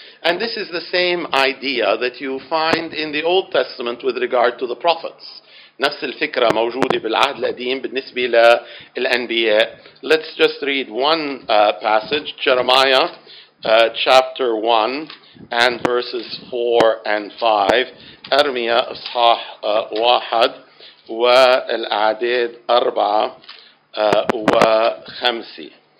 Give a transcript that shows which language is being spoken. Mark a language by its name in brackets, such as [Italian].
[English] And this is the same idea that you find in the Old Testament with regard to the prophets. [Arabic] نفس الفكرة موجودة بالعهد القديم بالنسبة للأنبياء. [English] Let's just read one passage, Jeremiah chapter 1 and verses 4 and 5. [Arabic] أرميا أصحاح 1 والأعداد 4 و5.